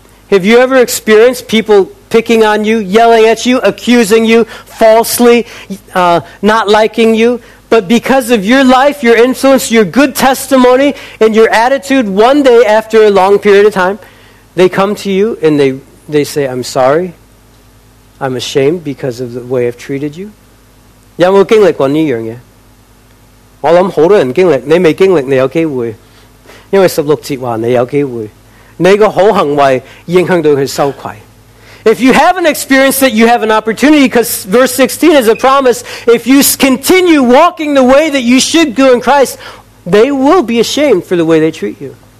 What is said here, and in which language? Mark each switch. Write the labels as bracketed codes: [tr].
[en] Have you ever experienced people picking on you, yelling at you, accusing you falsely, not liking you? But because of your life, your influence, your good testimony, and your attitude, one day after a long period of time, they come to you and they say, I'm sorry. I'm ashamed because of the way I've treated you. [yue] 有没有经历过这样的？我想很多人经历，你没经历你有机会，因为十六节说你有机会，你的好行为影响到他羞愧。 [en] If you haven't experienced it, you have an opportunity, because verse 16 is a promise. If you continue walking the way that you should go in Christ, they will be ashamed for the way they treat you.